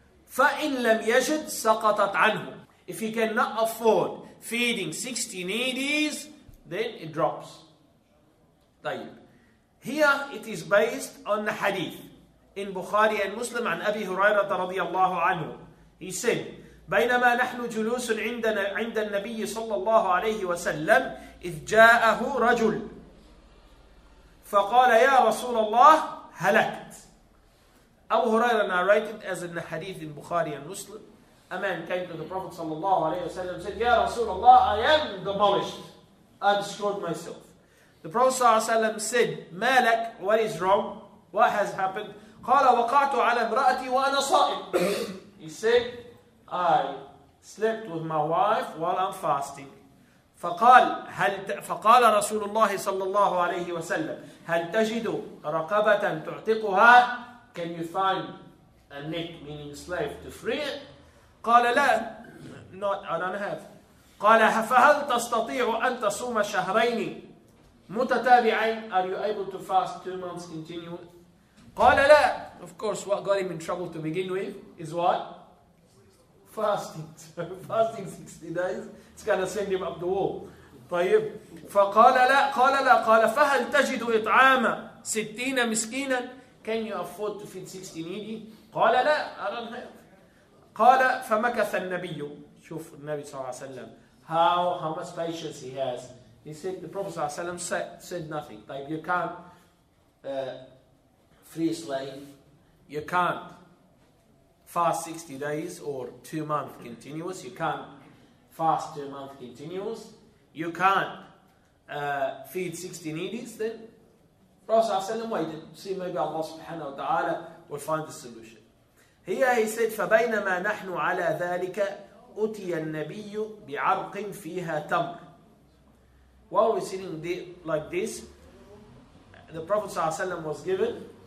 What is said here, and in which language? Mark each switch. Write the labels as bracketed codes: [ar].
[ar] فَإِنْ لَمْ يَجِدْ سَقَطَتْ عَنْهُ. [en] If he cannot afford feeding 60 needies, then it drops. [ar] طيب. [en] Here it is based on the hadith in Bukhari and Muslim [ar] عن أبي هريرة رضي الله عنه. [en] He said, [ar] بينما نحن جلوس عند النبي صلى الله عليه وسلم إذ جاءه رجل فقال يا رسول الله هلكت. [en] Abu Huraira narrated as in the hadith in Bukhari and Muslim. A man came to the Prophet sallallahu alayhi wa sallam and said, Ya Rasulullah, I am demolished. I destroyed myself. The Prophet sallallahu alayhi wa sallam said, Malak, what is wrong? What has happened? [ar] Qala waqa'tu ala imra'ati wa ana sa'im. [en] He said, I slept with my wife while I'm fasting. [ar] فقال رسول الله صلى الله عليه وسلم هل تجد رقبة تعتقها. [en] Can you find a neck, meaning slave, to free it? [ar] قال لا. [en] No, I don't have. [ar] قال فهل تستطيع أن تصوم شهرين متتابعين. [en] Are you able to fast 2 months continuous? [ar] قال لا. [en] Of course, what got him in trouble to begin with is what? Fasting. Fasting 60 days. It's going to send him up the wall. [ar] طيب. فقال لا. قال لا. قال فهل تجد إطعام 60 مسكينا. Can you afford to feed 60 needy? قال لا, I don't have. قال فمكث النبي. شوف النبي صلى الله عليه وسلم. [en] How much patience he has. He said, the Prophet صلى الله عليه وسلم said nothing. Like you can't free a slave. You can't fast 60 days or 2 months continuous. You can't fast 2 months continuous. you can't feed 60 needies, then Rasul waited. See, maybe Allah subhanahu wa ta'ala will find the solution. Here he said, [ar] فَبَيْنَمَا نَحْنُ عَلَى ذَٰلِكَ أُتِيَ النَّبِيُّ بِعَرْقٍ فِيهَا تَمْرٍ. [en] While we're sitting there like this, the Prophet ﷺ was given.